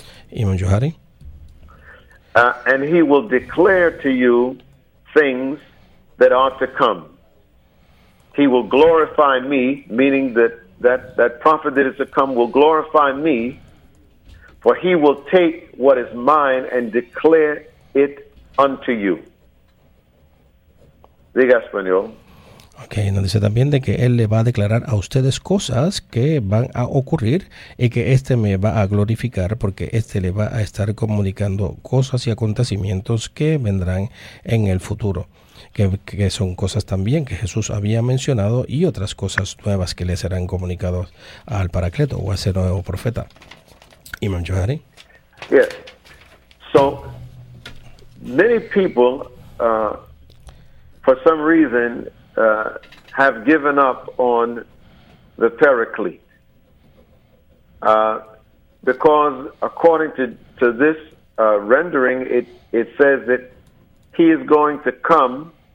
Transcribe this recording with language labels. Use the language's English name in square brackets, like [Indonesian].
[English] Imam Johari. And he will declare to you things that ought to come. He will glorify me, meaning that prophet that is to come will glorify me, for he will take what is mine and declare it unto you. [Spanish] Diga español. Ok, nos dice también de que él le va a declarar a ustedes cosas que van a ocurrir y que este me va a glorificar porque este le va a estar comunicando cosas y acontecimientos que vendrán en el futuro. Que son cosas también que Jesús había mencionado y otras cosas nuevas que le serán comunicados al paracleto o a ese nuevo profeta. [English] Imam Johari. Yes. So, many people, for some reason, have given up on the paraclete. Because according to this rendering, it says that he is going to come.